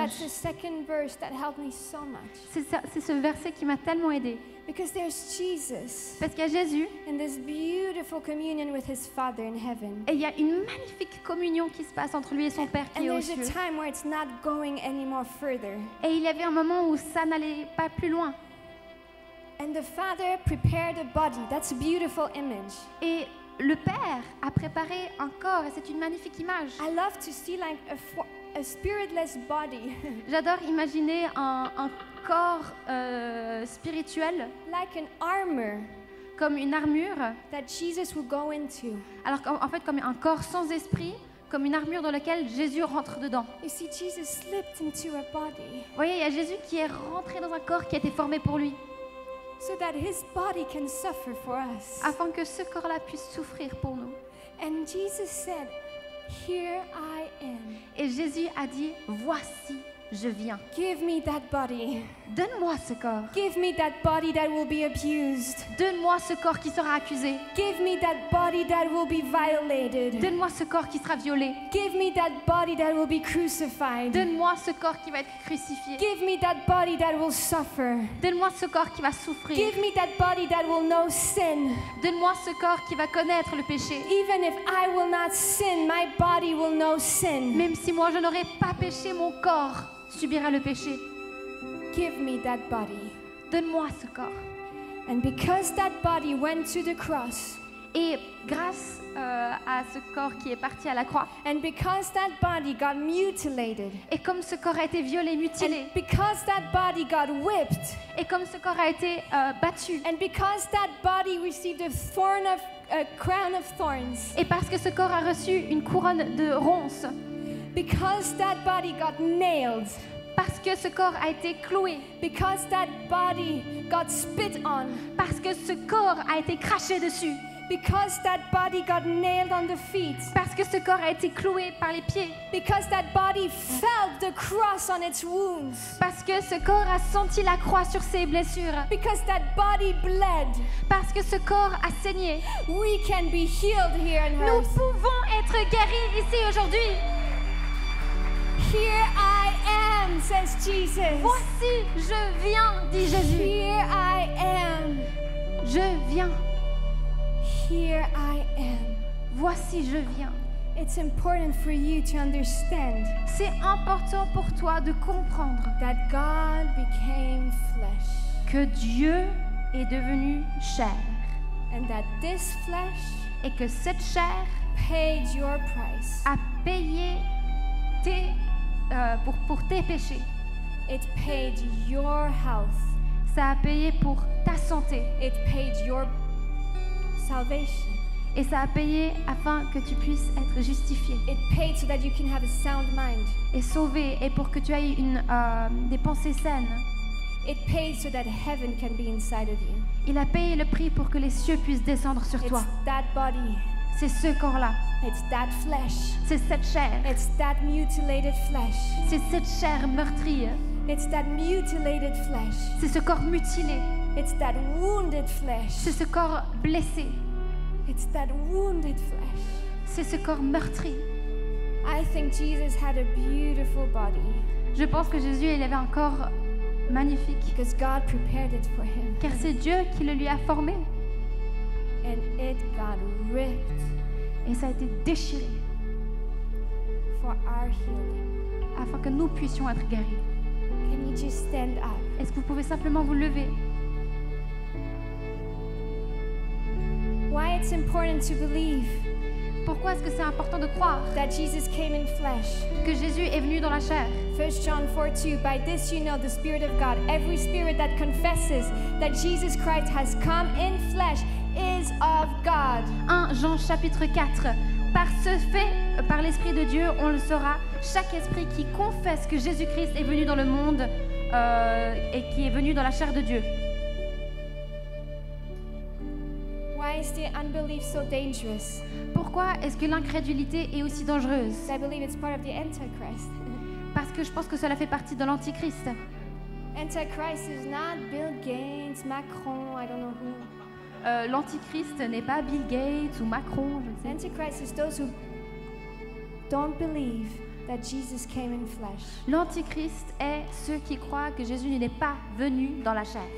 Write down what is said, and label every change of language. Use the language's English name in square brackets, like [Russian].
[English] That's the second verse that helped me so much. [French] C'est ce verset qui m'a tellement aidée. [English] Because there's Jesus. [French] Parce qu'il y a Jésus. [English] In this beautiful communion with his Father in heaven. [French] Et il y a une magnifique communion qui se passe entre lui et son Père qui est aux cieux. [English] And there's a time where it's not going anymore further. [French] Et il y avait un moment où ça n'allait pas plus loin. [English] And the Father prepared a body. That's a beautiful image. [French] Et le Père a préparé un corps, et c'est une magnifique image. [English] I love to see like a spiritless body. [French] J'adore imaginer un corps spirituel. [English] Like an armor. [French] Comme une armure. [English] That Jesus would go into. [French] Alors en fait, comme un corps sans esprit, comme une armure dans laquelle Jésus rentre dedans. [English] You see, Jesus slipped into a body. [French] Vous voyez, il y a Jésus qui est rentré dans un corps qui a été formé pour lui. [English] So that his body can suffer for us. [French] Afin que ce corps-là puisse souffrir pour nous. [English] And Jesus said, "Here I am." [French] Et Jésus a dit, voici, je viens. [English] Give me that body. [French] Donne-moi ce corps. [English] Give me that body that will be abused. [French] Donne-moi ce corps qui sera accusé. [English] Give me that body that will be violated. [French] Donne-moi ce corps qui sera violé. [English] Give me that body that will be crucified. [French] Donne-moi ce corps qui va être crucifié. [English] Give me that body that will suffer. [French] Donne-moi ce corps qui va souffrir. [English] Give me that body that will know sin. [French] Donne-moi ce corps qui va connaître le péché. [English] Even if I will not sin, my body will know sin. [French] Même si moi je n'aurai pas péché, mon corps subira le péché. [English] Give me that body. [French] Donne-moi ce corps. [English] And because that body went to the cross. [French] Et grâce à ce corps qui est parti à la croix. [English] And because that body got mutilated. [French] Et comme ce corps a été violé, mutilé. [English] And because that body got whipped. [French] Et comme ce corps a été battu. [English] And because that body received a thorn of a crown of thorns. [French] Et parce que ce corps a reçu une couronne de ronces. [English] Because that body got nailed. [French] Parce que ce corps a été cloué. [English] Because that body got spit on. [French] Parce que ce corps a été craché dessus. [English] Because that body got nailed on the feet. [French] Parce que ce corps a été cloué par les pieds. [English] Because that body felt the cross on its wounds. [French] Parce que ce corps a senti la croix sur ses blessures. [English] Because that body bled. [French] Parce que ce corps a saigné. [English] We can be healed here in [French] Nous pouvons être guéris ici aujourd'hui. [English] Here I am, says Jesus. [French] Voici, je viens, dit Jésus. [English] Here I am. [French] Je viens. [English] Here I am. [French] Voici, je viens. [English] It's important for you to understand. [French] C'est important pour toi de comprendre. [English] That God became flesh. [French] Que Dieu est devenu chair. [English] And that this flesh. [French] Et que cette chair. [English] Paid your price. [French] A payé tes pour tes péchés. [English] It paid your health. [French] Ça a payé pour ta santé. [English] It paid your salvation. [French] Et ça a payé afin que tu puisses être justifié. [English] It paid so that you can have a sound mind. [French] Et sauvé et pour que tu aies une des pensées saines. [English] It paid so that heaven can be inside of you. [French] Il a payé le prix pour que les cieux puissent descendre sur [English] It's [French] toi. [English] That body. [French] C'est ce corps-là. [English] It's that flesh. [French] C'est cette chair. [English] It's that mutilated flesh. [French] C'est cette chair meurtrie. [English] It's that mutilated flesh. [French] C'est ce corps mutilé. [English] It's that wounded flesh. [French] C'est ce corps blessé. [English] It's that wounded flesh. [French] C'est ce corps meurtri. [English] I think Jesus had a beautiful body. [French] Je pense que Jésus il avait un corps magnifique. [English] Because God prepared it for him. [French] Car c'est Dieu qui le lui a formé. [English] And it got ripped. [French] Et ça a été déchiré. [English] For our healing. [French] Afin que nous puissions être guéris. [English] Can you just stand up? [French] Est-ce que vous pouvez simplement vous lever? [English] Why it's important to believe? [French] Pourquoi est-ce que c'est important de croire? [English] That Jesus came in flesh. [French] Que Jésus est venu dans la chair. [English] 1 John 4:2. By this you know the Spirit of God. Every spirit that confesses that Jesus Christ has come in flesh. Is of God. [French] 1 Jean chapitre 4. Par ce fait, par l'Esprit de Dieu, on le saura. Chaque esprit qui confesse que Jésus-Christ est venu dans le monde et qui est venu dans la chair de Dieu. [English] Why is the unbelief so dangerous? [French] Pourquoi est-ce que l'incrédulité est aussi dangereuse? [English] I believe it's part of the Antichrist. [French] Parce que je pense que cela fait partie de l'Antichrist. [English] Antichrist is not Bill Gates, Macron, I don't know who. [French] L'antichrist n'est pas Bill Gates ou Macron, je ne sais pas. [English] Antichrist is those who don't believe that Jesus came in flesh. [French] L'antichrist est ceux qui croient que Jésus n'est pas venu dans la chair.